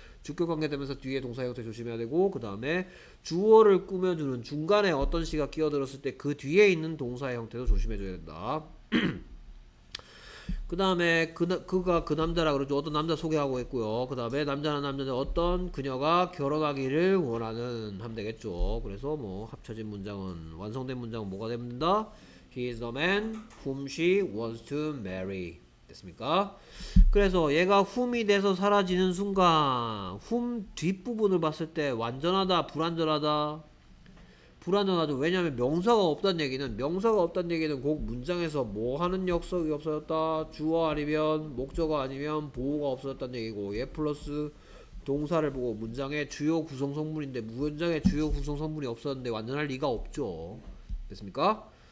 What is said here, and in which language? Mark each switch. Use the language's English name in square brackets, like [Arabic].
[Korean] 주격 관계 되면서 뒤에 동사 형태 조심해야 되고 그 다음에 주어를 꾸며주는 중간에 어떤 시가 끼어들었을 때 그 뒤에 있는 동사의 형태도 조심해줘야 된다. 그 다음에 그가 그 남자라 그러죠. 어떤 남자 소개하고 있고요. 그 다음에 남자는 남자는 어떤 그녀가 결혼하기를 원하는 하면 되겠죠. 그래서 뭐 합쳐진 문장은 완성된 문장은 뭐가 됩니다. [English] He is the man whom she wants to marry. [Korean] 됐습니까? 그래서 얘가 whom이 돼서 사라지는 순간 whom 뒷부분을 봤을 때 완전하다 불완전하다 불완전하죠. 왜냐하면 명사가 없다는 얘기는 곧 문장에서 뭐 하는 역속이 없어졌다 주어 아니면 목적어 아니면 보호가 없어졌다는 얘기고 얘 플러스 동사를 보고 문장의 주요 구성성분인데 문장의 주요 구성성분이 없었는데 완전할 리가 없죠. 됐습니까?